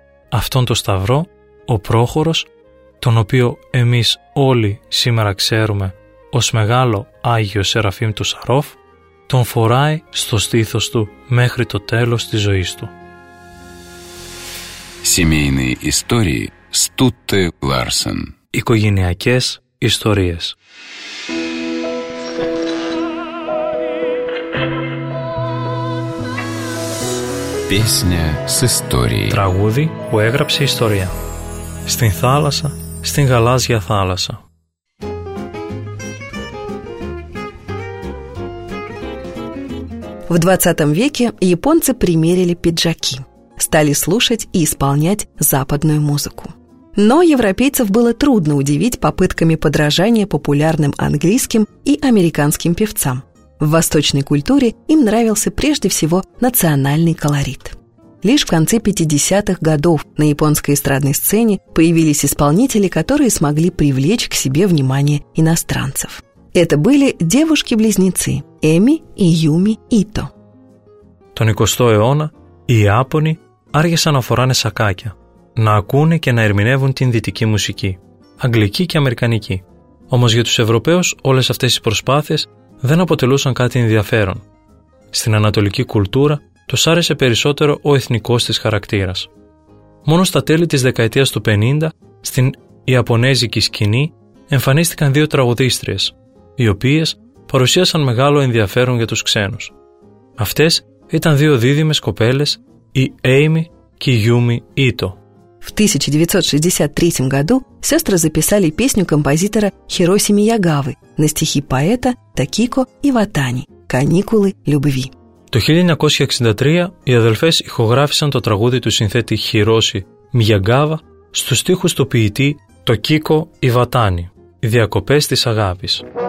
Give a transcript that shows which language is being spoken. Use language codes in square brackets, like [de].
[el] Αυτόν τον σταυρό, ο Πρόχορος, τον οποίο εμείς όλοι σήμερα ξέρουμε ως μεγάλο Άγιο Σεραφείμ του Σαρόφ, τον φοράει στο στήθος του μέχρι το τέλος της ζωής του. [ru] Семейные истории Стутте Ларсен. [el] Οικογενειακές ιστορίες. [ru] Песня с историей. [el] Τραγούδι που έγραψε ιστορία. Στην θάλασσα, στην γαλάζια θάλασσα. [ru] В 20 веке японцы примерили пиджаки, стали слушать и исполнять западную музыку. Но европейцев было трудно удивить попытками подражания популярным английским и американским певцам. В восточной культуре им нравился прежде всего национальный колорит. Лишь в конце 50-х годов на японской эстрадной сцене появились исполнители, которые смогли привлечь к себе внимание иностранцев. Это были девушки-близнецы Эми и Юми Ито. [el] Τον 20ο αιώνα, οι Ιάπωνοι άργησαν να φοράνε σακάκια, να ακούνε και να ερμηνεύουν την δυτική μουσική, αγγλική και αμερικανική. Όμως για τους Ευρωπαίους όλες αυτές οι προσπάθειες δεν αποτελούσαν κάτι ενδιαφέρον. Στην ανατολική κουλτούρα τους άρεσε περισσότερο ο εθνικός της χαρακτήρας. Μόνο στα τέλη της δεκαετίας του 50, στην Ιαπωνέζικη σκηνή εμφανίστηκαν δύο τραγουδίστριες, οι οποίες παρουσίασαν μεγάλο ενδιαφέρον για τους ξένους. Αυτές ήταν δύο δίδυμες κοπέλες, η Amy και η Yumi Ito. [ru] В 1963 году сестры записали песню композитора Хироси Миягавы на стихи поэта Такико Иватани «Каникулы любви». [el] Το 1963 οι αδελφές ηχογράφησαν το τραγούδι του συνθέτη Χιρόση Μιγιαγκάβα στους στίχους του ποιητή Τοκίκο Ιβατάνη, «Διακοπές της αγάπης».